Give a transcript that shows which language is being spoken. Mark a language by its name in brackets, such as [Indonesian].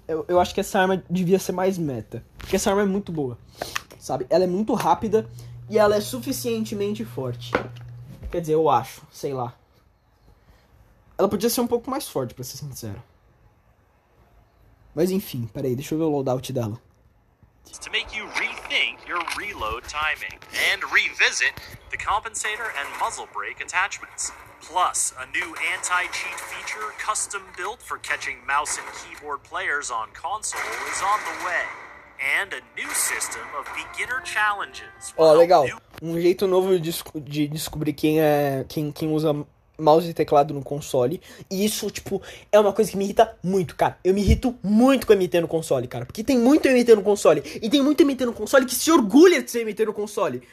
[Portuguese] Eu acho que essa arma devia ser mais meta. Porque essa arma é muito boa, sabe? Ela é muito rápida e ela é suficientemente forte. Quer dizer, eu acho. Sei lá. Ela podia ser um pouco mais forte, pra ser sincero. Mas enfim, peraí. Deixa eu ver o loadout dela. [English] To make you rethink your reload timing and revisit the compensator and muzzle brake attachments. Plus, a new anti-cheat feature custom built for catching mouse and keyboard players on console is on the way. And a new system of beginner challenges. [Portuguese] Ó, legal. Um jeito novo de descobrir quem usa mouse e teclado no console. E isso, tipo, é uma coisa que me irrita muito, cara. Eu me irrito muito com MT no console, cara. Porque tem muito MT no console. E tem muito MT no console que se orgulha de ser MT no console.